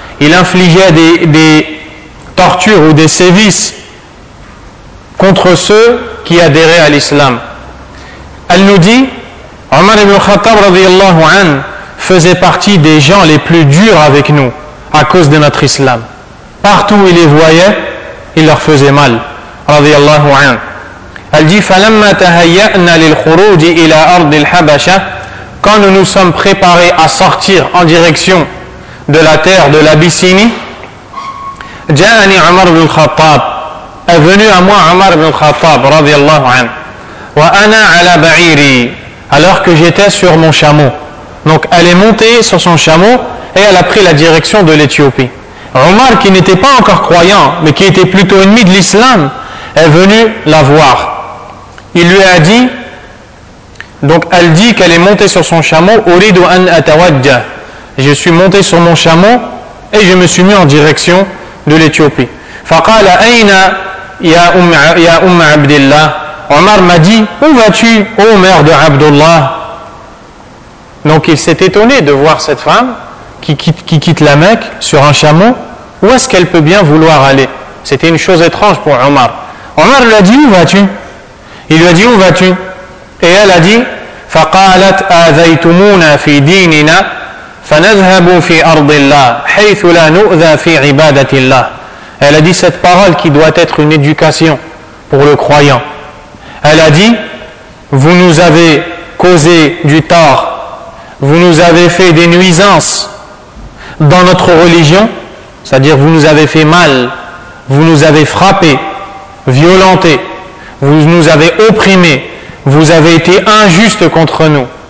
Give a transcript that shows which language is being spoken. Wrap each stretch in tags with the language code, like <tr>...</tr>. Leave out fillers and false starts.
<fr>Il infligeait des tortures ou des sévices contre ceux qui adhéraient à l'islam. Elle nous dit, Omar ibn al-Khattab, radiyallahu anhu, faisait partie des gens les plus durs avec nous à cause de notre islam. Partout où il les voyait, il leur faisait mal. Radiallahu anhu. Elle dit,</fr> <ar>فَلَمَّا تَهَيَّأْنَا لِلْخُرُوجِ إِلَىٰ أَرْضِ الْحَبَشَةِ.</ar> <fr>Quand nous nous sommes préparés à sortir en direction de la terre de l'Abyssinie,</fr> <ar>جَاءَنِي عَمَرُ بِنْ الْخَطَّابِ.</ar> <fr>Est venu à moi Omar ibn al-Khattab, radiallahu anhu.</fr> <ar>وَأَنَا عَلَىٰ بَعِيرِ.</ar> <fr>Alors que j'étais sur mon chameau. Donc elle est montée sur son chameau et elle a pris la direction de l'Éthiopie. Omar, qui n'était pas encore croyant, mais qui était plutôt ennemi de l'islam, est venu la voir. Il lui a dit, donc elle dit qu'elle est montée sur son chameau, «</fr> <ar>Uridu an atawajja ».</ar> <fr>Je suis monté sur mon chameau et je me suis mis en direction de l'Éthiopie.</fr> <ar>« Faqala aina ya umma abdillah ».</ar> <fr>Omar m'a dit, « Où vas-tu, ô mère de Abdullah ?» Donc il s'est étonné de voir cette femme qui quitte la Mecque sur un chameau. Où est-ce qu'elle peut bien vouloir aller? C'était une chose étrange pour Omar. Omar lui a dit, où vas-tu? Il lui a dit, où vas-tu? Et elle a dit,</fr> <ar>فَقَالَتْ أَذَيْتُمُونَ فِي دِينِنَا فَنَذْهَبُوا فِي أَرْضِ اللَّهِ حَيْثُ لَا نُؤْذَى فِي عِبَادَةِ اللَّهِ.</ar> <fr>Elle a dit cette parole qui doit être une éducation pour le croyant. Elle a dit, vous nous avez causé du tort, vous nous avez fait des nuisances dans notre religion, c'est-à-dire vous nous avez fait mal, vous nous avez frappé, violenté, vous nous avez opprimé, vous avez été injuste contre nous.</fr>